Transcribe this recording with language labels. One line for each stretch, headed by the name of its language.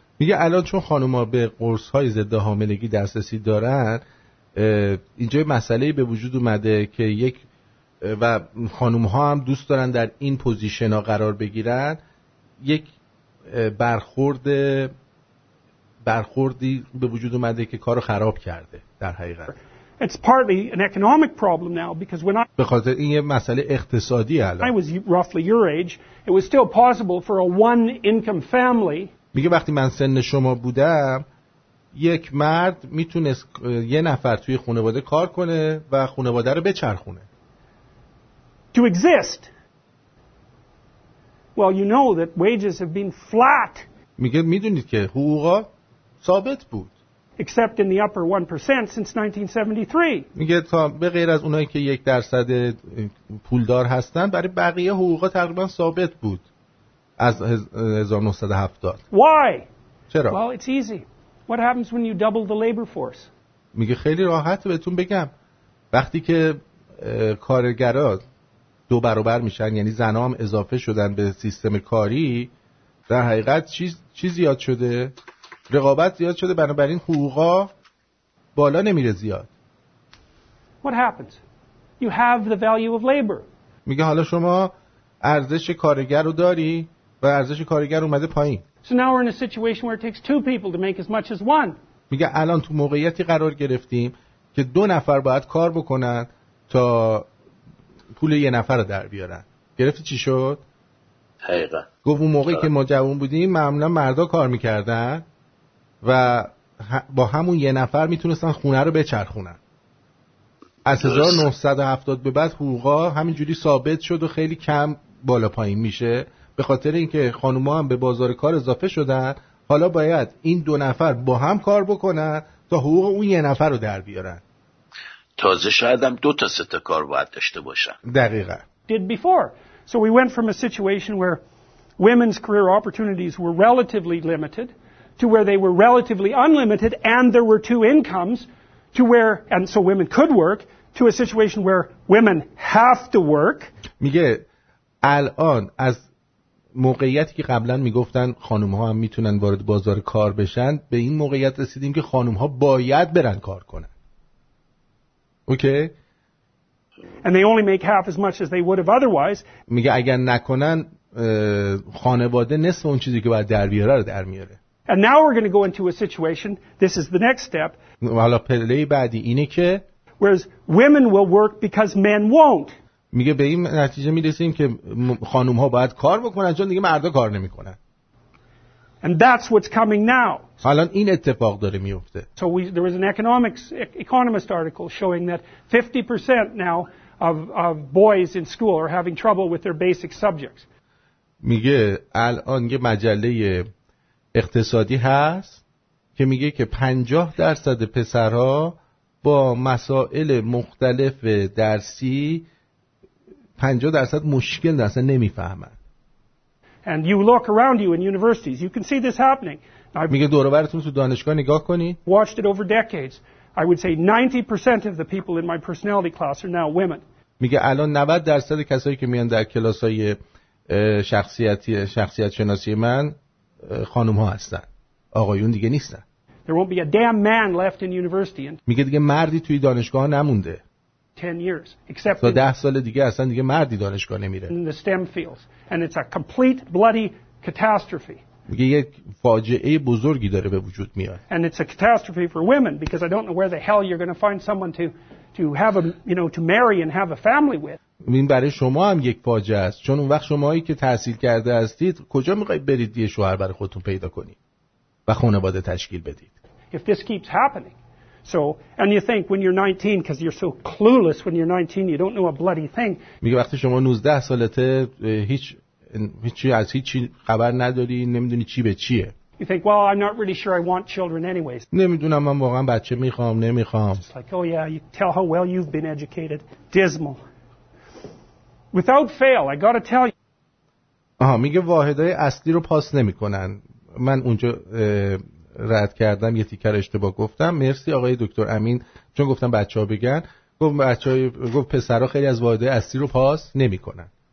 Persian: میگه الان چون خانوما به قرص‌های ضد حاملگی دسترسی دارن، اینجا مسئله به وجود اومده که یک و خانوم‌ها هم دوست دارن در این پوزیشن‌ها قرار بگیرن، یک برخوردی به وجود اومده که کارو خراب کرده در حقیقت.
English: It's partly an economic problem now because when I
Persian: به خاطر این یه مسئله اقتصادی الان.
English: I was roughly your age, it was still possible for a one income family.
Persian: میگه وقتی من سن شما بودم یک مرد میتونست یه نفر توی خانواده کار کنه و خانواده رو بچرخونه.
English: To exist. Well, you know that wages have been flat.
Persian: میگه میدونید که حقوقا ثابت بود.
English: Except in the upper 1% since 1973.
Persian: میگه تا به غیر از اونایی که 1% پولدار هستن برای بقیه حقوقا تقریبا ثابت بود. از 1970.
English: Why?
Persian: چرا؟
English: Well, it's easy. What happens when you double the labor force?
Persian: میگه خیلی راحته بهتون بگم. وقتی که کارگرا دو برابر میشن، یعنی زنا هم اضافه شدن به سیستم کاری، در حقیقت چیز زیاد شده، رقابت زیاد شده، بنابراین حقوقا بالا نمیره زیاد.
English: What happens? You have the value of labor.
Persian: میگه حالا شما ارزش کارگر رو داری؟ و ارزش کارگر اومده پایین.
English: So now we're in a situation where it takes two people to make as much as one.
Persian: میگه الان تو موقعیتی قرار گرفتیم که دو نفر باید کار بکنن تا پول یه نفر رو در بیارن. گرفتی چی شد؟ حقیقا. گفت اون موقعی که ما جوان بودیم معمولا مردا کار میکردن و با همون یه نفر میتونستن خونه رو بچرخونن. از 1970 به بعد حقوقا همینجوری ثابت شد و خیلی کم بالا پایین میشه. به خاطر اینکه خانوما هم به بازار کار اضافه شدن، حالا باید این دو نفر با هم کار بکنن تا حقوق اون یه نفر رو در بیارن. تازه شاید هم دو تا سه تا کار باید داشته باشن. دقیقاً.
English: Did before. So we went from a situation where women's career opportunities were relatively limited to where they were relatively unlimited and there were two incomes to where and so women could work to a situation where women have to work.
Persian: میگه الان از موقعیتی که قبلا میگفتن خانم ها هم میتونن وارد بازار کار بشن به این موقعیت رسیدیم که خانم ها باید برن کار کنن. اوکی؟
English: And they only make half as much as they would have otherwise.
Persian: میگه اگر نکنن خانواده نصف اون چیزی که باید در بیاره رو در میاره.
English: And now we're going to go into a situation. This is the next step.
Persian: حالا پله بعدی اینه که
English: whereas women will work because men won't.
Persian: میگه به این نتیجه میرسیم که خانوم ها باید کار بکنن چون دیگه مردا کار نمی کنن.
English: And that's what's coming now.
Persian: حالا این اتفاق داره میفته.
English: So there was an economist article showing that 50% now of boys in school are having trouble with their basic subjects.
Persian: میگه الان یه مجله اقتصادی هست که میگه که 50% پسرها با مسائل مختلف درسی 50% مشکل دارن، اصلا نمیفهمن.
English: And you look around you in universities, you can see this happening.
Persian: میگه دور و برتون تو دانشگاه نگاه کنید.
English: Watched it over decades. I would say 90% of the people in my personality class are now women.
Persian: میگه الان 90% کسایی که میان در کلاس‌های شخصیت شناسی من خانم ها هستن، آقایون دیگه نیستن.
English: There won't be a damn man left in university.
Persian: میگه دیگه مردی توی دانشگاه نمونده.
English: 10 years except for
Persian: 10 سال دیگه اصلا دیگه مردی دانشگاه نمیره.
English: In the STEM fields and it's a complete bloody catastrophe.
Persian: میگه یک فاجعه بزرگی داره به وجود میاد.
English: And it's a catastrophe for women because I don't know where the hell you're going to find someone to have a, you know, to marry and have a family with.
Persian: این برای شما هم یک فاجعه است چون اون وقت شمایی که تحصیل کرده هستید کجا میخواهید برید یه شوهر برای خودتون پیدا کنید و خانواده تشکیل بدید.
English: If this keeps happening, so and you think when you're 19 because you're so clueless when you're 19 you don't know a bloody thing.
Persian: میگه وقتی شما 19 سالته هیچ از هیچ خبر نداری، نمیدونی چی به چیه.
English: You think, well, I'm not really sure I want children anyways.
Persian: نمیدونم من واقعا بچه میخوام نمیخوام.
English: It's like, oh yeah, you tell how well you've been educated. Dismal. Without fail, I got to tell you.
Persian: آها میگه واحدهای اصلی رو پاس نمیکنن. من اونجا رد کردم، یه تیکر اشتباه گفتم. مرسی آقای دکتر امین، چون گفتم بچه‌ها بگن، گفت بچه‌ها، گفت پسرها خیلی از واحدهای اصلی رو پاس نمیکنن.